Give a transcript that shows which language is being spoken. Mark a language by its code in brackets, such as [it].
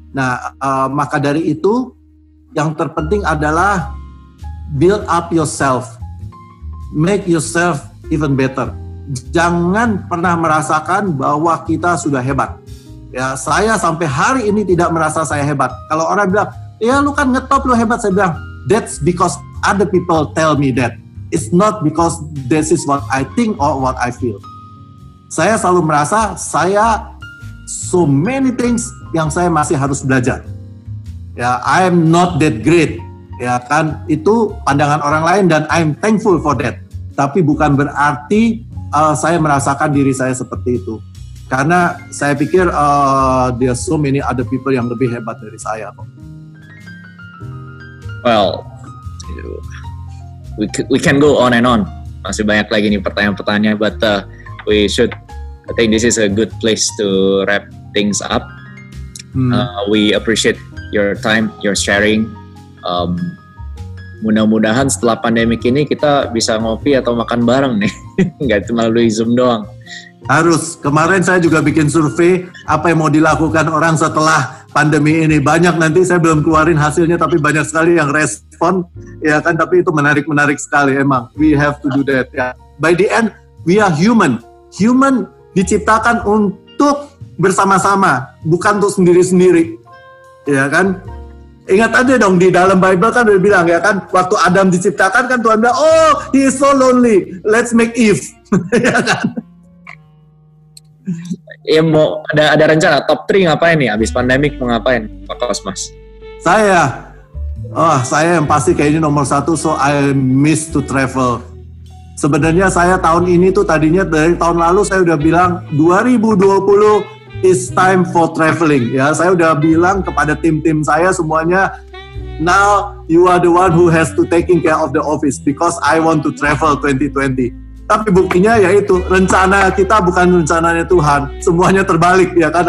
[id] Nah, maka dari itu yang terpenting adalah [en] build up yourself, make yourself even better. [id] Jangan pernah merasakan bahwa kita sudah hebat. Ya, saya sampai hari ini tidak merasa saya hebat. Kalau orang bilang, ya lu kan ngetop, lu hebat. Saya bilang, [en] that's because other people tell me that. It's not because this is what I think or what I feel. [id] Saya selalu merasa, saya [en] so many things [id] yang saya masih harus belajar. Ya, [en] I'm not that great. [id] Ya kan, itu pandangan orang lain dan [en] I'm thankful for that. [id] Tapi bukan berarti saya merasakan diri saya seperti itu. Karena saya pikir [en] there are so many other people [id] yang lebih hebat dari saya. [en] Well, we can go on and on. [id] Masih banyak lagi nih pertanyaan-pertanyaan, [en] but I think this is a good place to wrap things up. Hmm. We appreciate your time, your sharing. [id] Mudah-mudahan setelah pandemik ini kita bisa ngopi atau makan bareng nih, nggak cuma melalui Zoom doang. Harus, kemarin saya juga bikin survei apa yang mau dilakukan orang setelah pandemi ini. Banyak, nanti saya belum keluarin hasilnya, tapi banyak sekali yang respon, ya kan, tapi itu menarik-menarik sekali emang. [en] We have to do that, ya. By the end, we are human. [id] Human diciptakan untuk bersama-sama, bukan untuk sendiri-sendiri, ya kan. Ingat aja dong, di dalam Bible kan udah bilang, ya kan, waktu Adam diciptakan kan Tuhan bilang, [en] oh, he is so lonely, let's make Eve, [id] ya kan. Ya, mau ada rencana top 3 ngapain nih abis pandemik, mau ngapain Pak Kosmas? Saya yang pasti kayaknya nomor 1, [en] so I miss to travel. [id] Sebenarnya saya tahun ini tuh tadinya dari tahun lalu saya udah bilang [en] 2020 is time for traveling, [id] ya. Saya udah bilang kepada tim-tim saya semuanya, [en] now you are the one who has to taking care of the office because I want to travel 2020. [id] Tapi buktinya yaitu rencana kita bukan rencananya Tuhan, semuanya terbalik, ya kan.